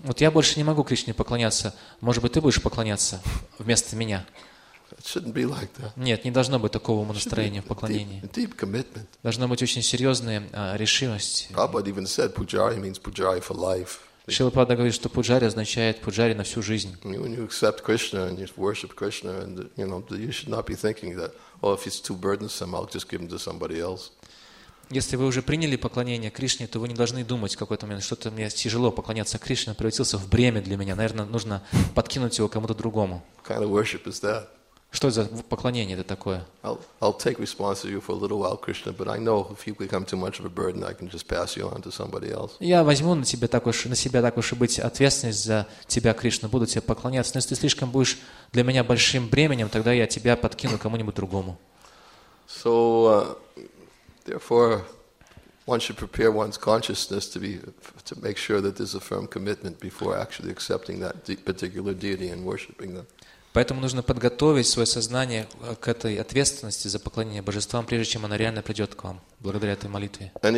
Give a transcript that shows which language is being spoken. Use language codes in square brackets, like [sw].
[ru] Вот я больше не могу Кришне поклоняться. Может быть, ты будешь поклоняться вместо меня? [en] It shouldn't be like that. [ru] Нет, не должно быть такого настроения в поклонении. [en] Deep commitment. [ru] Должна быть очень серьезная решимость. [en] Prabhupada even said pujari means pujari for life. [ru] Шрила Прабхупада говорит, что пуджари означает пуджари на всю жизнь. [en] When you accept Krishna and you worship Krishna, and you know, you should not be thinking that, oh, if it's too burdensome, I'll just give them to somebody else. [ru] Если вы уже приняли поклонение Кришне, то вы не должны думать в какой-то момент, что-то мне тяжело поклоняться Кришне, он превратился в бремя для меня. Наверное, нужно подкинуть его кому-то другому. [en] What kind of worship is that? [ru] Что за поклонение это такое? [en] I'll take responsibility for a little while, Krishna, but I know if you become too much of a burden, I can just pass you on to somebody else. [ru] Я возьму на себя так уж и быть ответственность за тебя, Кришна, буду тебе поклоняться. Но если ты слишком будешь для меня большим бременем, тогда я тебя подкину кому-нибудь другому. [en] So, therefore, one should prepare one's consciousness to make sure that there's a firm commitment before actually accepting that particular deity and worshiping them. [ru] Поэтому нужно подготовить свое сознание к этой ответственности за поклонение божествам, прежде чем оно реально придет к вам, благодаря этой молитве.